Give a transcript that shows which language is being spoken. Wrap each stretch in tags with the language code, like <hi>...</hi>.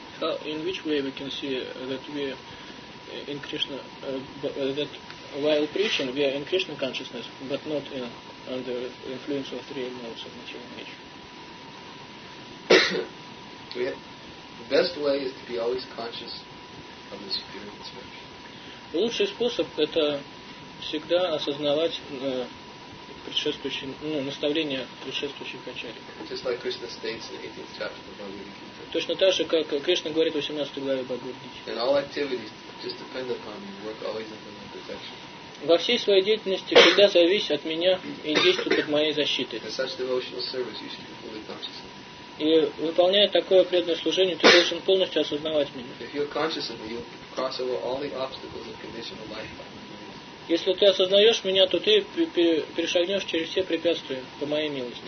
<en>How, in which way we can see that we in Krishna, that while preaching we are in Krishna consciousness, but not in under influence of three modes of material nature. The best way is to be always conscious of the superior dimension.</en> <ru>Лучший способ – это всегда осознавать предшествующие, наставления предшествующих ачарий.</ru> <en>Just like Krishna states in the 18th chapter of the Bhagavad Gita.</en> <ru>Точно так же, как Кришна говорит в 18 главе Бхагавад Гиты.</ru> <en>And all activities just depend upon me. Work always under my protection.</en> <ru>Во всей своей деятельности всегда зависит от меня и действует под моей защитой.</ru> <en>In such devotional service, you should be fully conscious.</en> <ru>И выполняя такое преданное служение, ты должен полностью осознавать меня.</ru> <en>If you're conscious of me, you'll cross over all the obstacles of conditional life.</en> <ru>Если ты осознаешь меня, то ты перешагнешь через все препятствия по моей милости.</ru>